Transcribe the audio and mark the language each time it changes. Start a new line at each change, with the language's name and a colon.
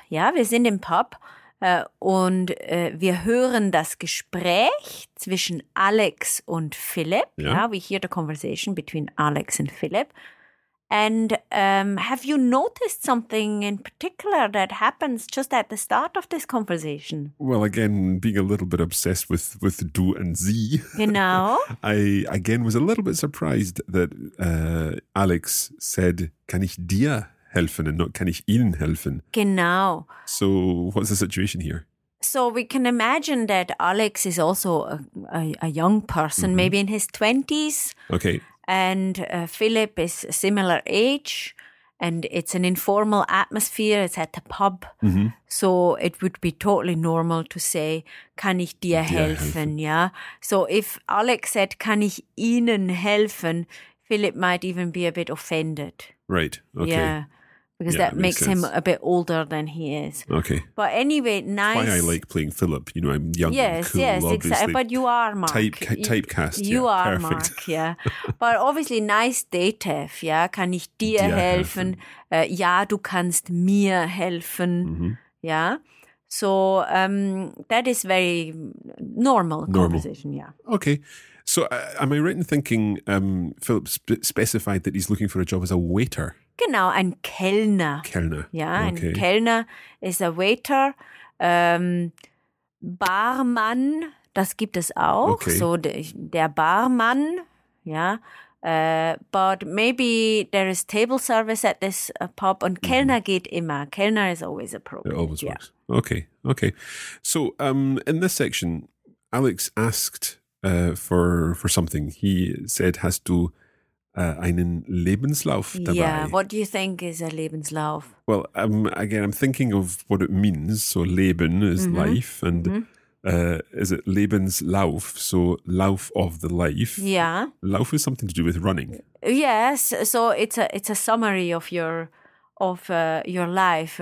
German: Ja, wir sind im Pub und wir hören das Gespräch zwischen Alex und Philip. Ja,
English: we hear the conversation between Alex and Philip. And have you noticed something in particular that happens just at the start of this conversation? Well, again, being a little bit obsessed with du and sie. You know? I, again, was a little bit surprised that Alex said,
German: kann ich dir helfen
English: and not
German: kann ich ihnen helfen? Genau.
English: So what's the situation here? So we can imagine that Alex is also a young person, mm-hmm. maybe in his 20s. Okay. And Philip is a similar age, and it's an informal atmosphere. It's at the pub. Mm-hmm. So it would be totally normal to say,
German: kann ich dir helfen?
English: Yeah. So if Alex said,
German: kann ich Ihnen helfen?
English: Philip might even be a bit offended. Right. Okay. Yeah. Because yeah, that makes him a bit older than he is. Okay. But anyway, nice. That's why I like playing Philip. You know, I'm young yes, and cool, yes, obviously. Yes, yes, exactly. But you are, Mark. Typecast. You yeah, are, perfect. Mark, yeah. But obviously, nice Dativ, yeah?
German: Kann ich dir helfen? Ja, du kannst mir helfen. Mm-hmm.
English: Yeah? So that is very normal conversation, yeah. Okay. So am I right in thinking Philip specified that he's looking for a job as a waiter?
German: Genau, ein Kellner. Kellner, ja,
English: okay.
German: Ein Kellner ist
English: a waiter.
German: Barmann, das gibt es auch.
English: Okay.
German: So der Barmann, ja.
English: But maybe there is table service at this pub.
German: Und Kellner mm-hmm. geht immer.
English: Kellner is always appropriate. It always yeah. works. Okay, okay. So in this section, Alex asked for something. He said, hast du...
German: einen Lebenslauf dabei.
English: Yeah, what do you think is a Lebenslauf? Well, again, I'm thinking of what it means. So Leben is mm-hmm. life. And mm-hmm. Is it Lebenslauf? So Lauf of the life. Yeah. Lauf is something to do with running. Yes. So it's a summary of your life.